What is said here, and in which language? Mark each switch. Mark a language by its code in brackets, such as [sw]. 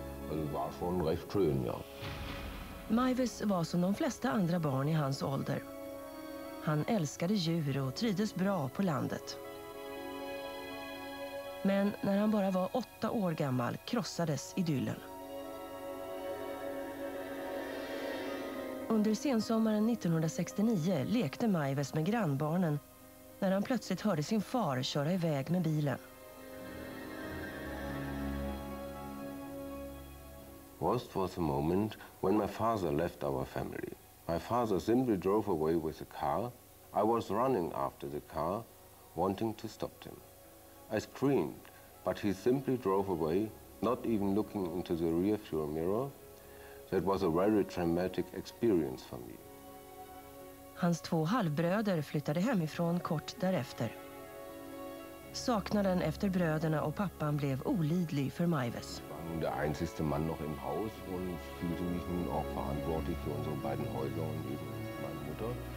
[de] Also war schon recht schön, ja. [sv] Maives war som de flesta andra barn i hans ålder. Han älskade djur och trivdes bra på landet. Men när han bara var 8 år gammal krossades idyllen. Under sensommaren 1969 lekte Maives med grannbarnen när han plötsligt hörde sin far köra iväg med bilen. [en] Worst was a moment when my father left our family. My father simply drove away with the car. I was running after the car, wanting to stop him. I screamed, but he simply drove away, not even looking into the rear view mirror. That was a very traumatic experience for me. [sv] Hans två halvbröder flyttade hemifrån kort därefter. Saknaden efter bröderna och pappan blev olidlig för Maives. Jag var den enda mannen i huset och kände mig nu också ansvarig för våra båda hus och även min mor.